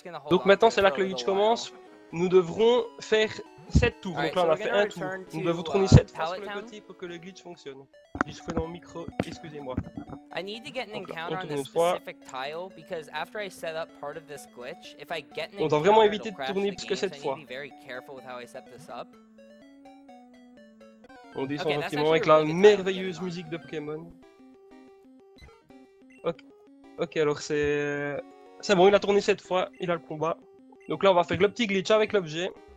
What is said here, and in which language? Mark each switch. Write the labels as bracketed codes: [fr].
[fr] Donc maintenant, c'est là que le glitch commence. Nous devrons faire 7 tours. Donc là, on a fait un tour. Nous devons tourner 7 fois sur le côté pour que le glitch fonctionne. J'ai souffle dans mon micro, excusez-moi. [en] I need to get an encounter on a specific tile because after I set up part of this glitch, if I get an encounter, [fr] vraiment éviter de tourner plus que cette fois. [en] I need to be very careful with how I set this up. [fr] On descend gentiment avec la merveilleuse musique de Pokémon. Ok, alors c'est bon, il a tourné cette fois, il a le combat. Donc là, on va faire le petit glitch avec l'objet.